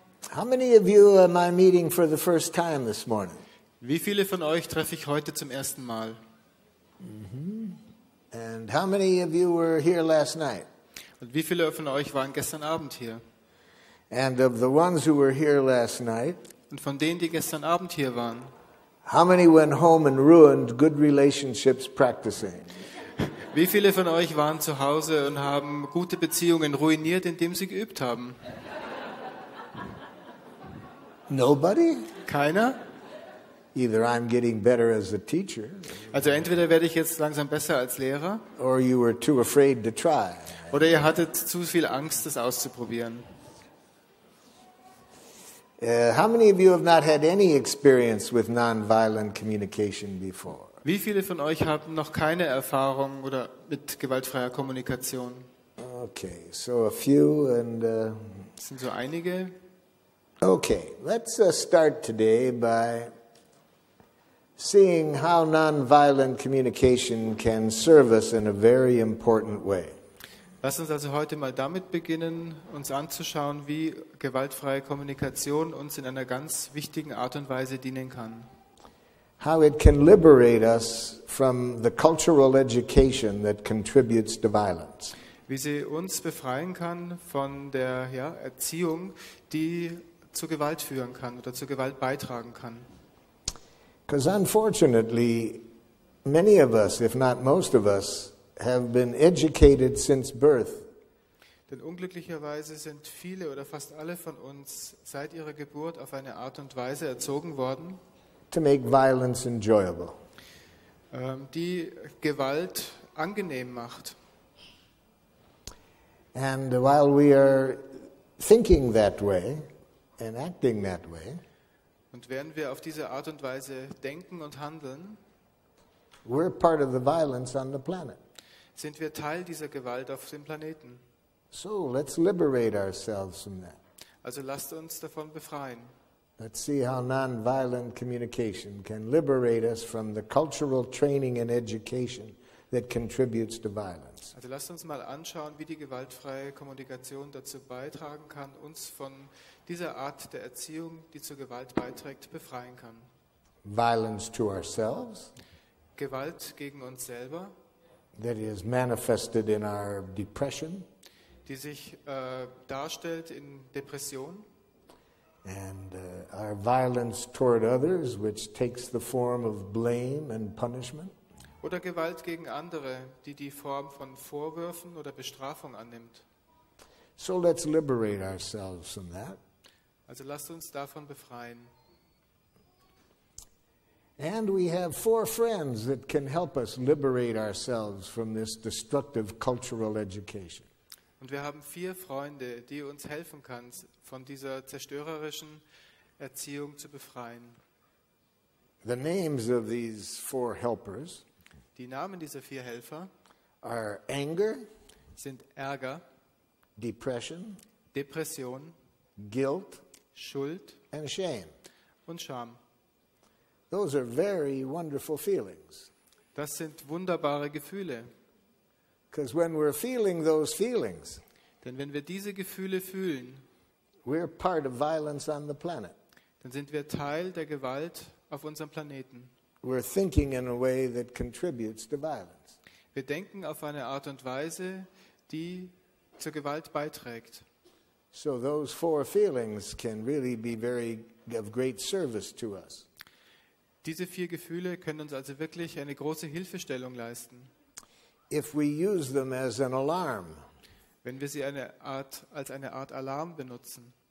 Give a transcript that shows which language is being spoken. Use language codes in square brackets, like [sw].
[en] How many of you am I meeting for the first time this morning? [de] Wie viele von euch treffe ich heute zum ersten Mal? [en] And how many of you were here last night? [de] Und wie viele von euch waren gestern Abend hier? [en] And of the ones who were here last night, [de] und von denen, die gestern Abend hier waren, [en] how many went home and ruined good relationships practicing? [de] Wie viele von euch waren zu Hause und haben gute Beziehungen ruiniert, indem sie geübt haben? [en] Nobody? [de] Keiner? [en] Either I'm getting better as a teacher. [de] Also entweder werde ich jetzt langsam besser als Lehrer. [en] Or you were too afraid to try. [de] Oder ihr hattet zu viel Angst, das auszuprobieren. [en] How many of you have not had any experience with non-violent communication before? [de] Wie viele von euch haben noch keine Erfahrung oder mit gewaltfreier Kommunikation? [en] Okay, so a few and [de] sind so einige. [en] Okay, let's start today by seeing how non-violent communication can serve us in a very important way. [de] Lass uns also heute mal damit beginnen, uns anzuschauen, wie gewaltfreie Kommunikation uns in einer ganz wichtigen Art und Weise dienen kann. [en] How it can liberate us from the cultural education that contributes to violence. [de] Wie sie uns befreien kann von der Erziehung, die zu Gewalt führen kann oder zu Gewalt beitragen kann. [en] Because unfortunately, many of us, if not most of us, have been educated since birth. [de] Denn unglücklicherweise sind viele oder fast alle von uns seit ihrer Geburt auf eine Art und Weise erzogen worden, [en] to make violence enjoyable. [de] Die Gewalt angenehm macht. [en] And while we are thinking that way and acting that way, [de] und während wir auf diese Art und Weise denken und handeln, [en] we're part of the violence on the planet. [de] Sind wir Teil dieser Gewalt auf dem Planeten. [en] So let's liberate ourselves from that. [de] Also lasst uns davon befreien. [en] Let's see how non-violent communication can liberate us from the cultural training and education that contributes to violence. [de] Also lasst uns mal anschauen, wie die gewaltfreie Kommunikation dazu beitragen kann, uns von dieser Art der Erziehung, die zur Gewalt beiträgt, befreien kann. [en] Violence to ourselves. [de] Gewalt gegen uns selber. [en] That is manifested in our depression. [de] Die sich darstellt in Depression. [en] And our violence toward others, which takes the form of blame and punishment. [de] Oder Gewalt gegen andere, die die Form von Vorwürfen oder Bestrafung annimmt. [en] So let's liberate ourselves from that. [de] Also lasst uns davon befreien. [en] And we have four friends that can help us liberate ourselves from this destructive cultural education. [de] Und wir haben vier Freunde, die uns helfen können, von dieser zerstörerischen Erziehung zu befreien. [en] The names of these four helpers, [de] die Namen dieser vier Helfer, [en] are anger, [de] sind Ärger, [en] depression, [de] Depression, [en] guilt, [de] Schuld, [en] and shame, [de] und Scham. [en] Those are very wonderful feelings. [de] Das sind wunderbare Gefühle. [en] Because when we're feeling those feelings, [de] denn wenn wir diese Gefühle fühlen, [en] we're part of violence on the planet. [de] Dann sind wir Teil der Gewalt auf unserem Planeten. [en] We're thinking in a way that contributes to violence. [de] Wir denken auf eine Art und Weise, die zur Gewalt beiträgt. [en] So those four feelings can really be very of great service to us. [de] Diese vier Gefühle können uns also wirklich eine große Hilfestellung leisten. [en] If we use them as an alarm, [de] wenn wir sie eine Art, als eine Art Alarm benutzen,